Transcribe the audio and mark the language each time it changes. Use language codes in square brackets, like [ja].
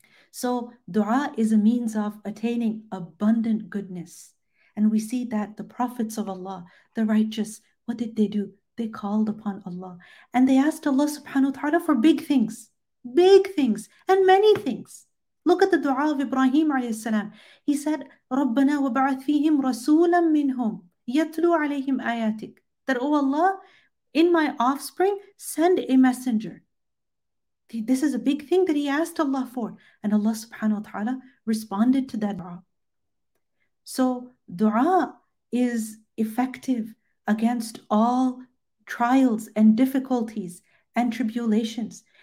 [en] So dua is a means of attaining abundant goodness. And we see that the prophets of Allah, the righteous, what did they do? They called upon Allah and they asked Allah subhanahu wa ta'ala for big things and many things. Look at the dua of Ibrahim alayhi salam. [ar] He said, رَبَّنَا وَبَعَثْ فِيهِمْ رَسُولًا مِّنْهُمْ يَتْلُوا عَلَيْهِمْ آيَاتِكَ. [en] That, oh Allah, in my offspring, send a messenger. This is a big thing that he asked Allah for. And Allah subhanahu wa ta'ala responded to that dua. So dua is effective against all trials and difficulties and tribulations.